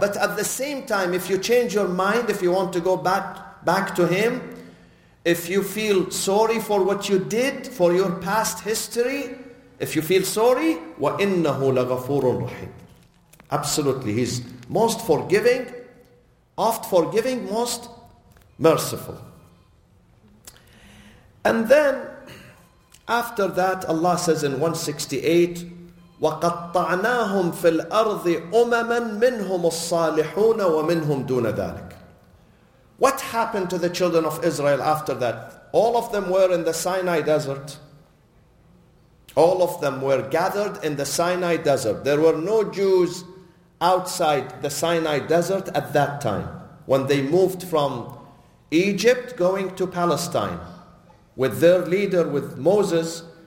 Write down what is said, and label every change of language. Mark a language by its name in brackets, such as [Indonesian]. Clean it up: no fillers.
[English] But at the same time, if you change your mind, if you want to go back to him, if you feel sorry for what you did, for your past history, if you feel sorry, [Arabic] وَإِنَّهُ لَغَفُورٌ رَحِيمٌ. [English] Absolutely, he's most forgiving, oft forgiving, most merciful. And then, after that, Allah says in 168, [Arabic] وَقَطَّعْنَاهُمْ فِي الْأَرْضِ أُمَمًا مِنْهُمُ الصَّالِحُونَ وَمِنْهُمْ دُونَ ذَلِكَ. [English] What happened to the children of Israel after that? All of them were in the Sinai desert. All of them were gathered in the Sinai desert. There were no Jews outside the Sinai desert at that time, when they moved from Egypt going to Palestine with their leader, with Moses.